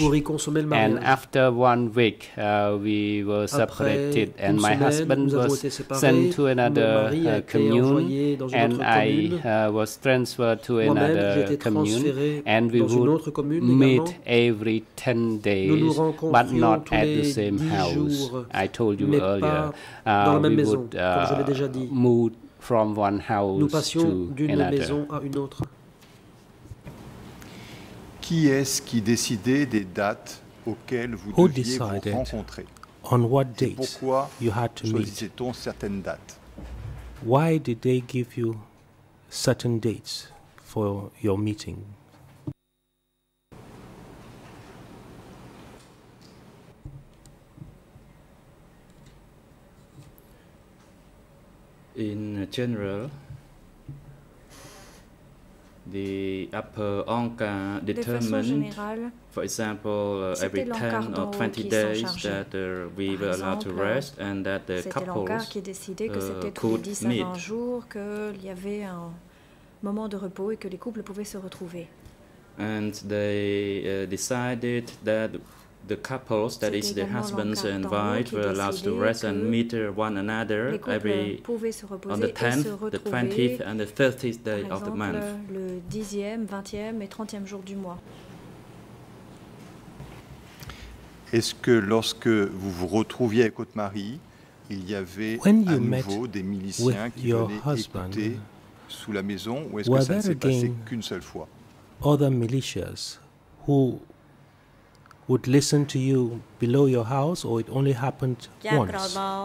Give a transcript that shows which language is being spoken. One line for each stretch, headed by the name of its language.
English: And after 1 week, we were separated, and my husband was sent to another commune, and I was transferred to another commune, and we would meet every 10 days, but not at the same house. I told you earlier, we would move from one house
French: nous passions d'une maison à une autre. Qui est-ce qui décidait des dates auxquelles vous deviez vous rencontrer?
English: On what date
French: et pourquoi choisissait-on certaines dates?
English: Why did they give you certain dates for your meeting? In general, the upper Anka determined, for example, every 10 or 20 days that we were allowed to rest and that the couples could meet.
French: Moment de repos et que les couples pouvaient se retrouver.
English: And they decided that the couples, that
French: c'était
English: is the husbands and wives, were allowed to rest and meet one another every on the 10th, the 20th, and the 30th day
French: exemple,
English: of the month.
French: Le 10e, 20e et 30e jour du mois. Est-ce que lorsque vous vous retrouviez avec votre mari, il y avait à nouveau des miliciens qui venaient
English: husband,
French: écouter sous la maison, ou est-ce que ça ne s'est passé qu'une seule fois?
English: Other militias who would listen to you below your house, or it only happened once?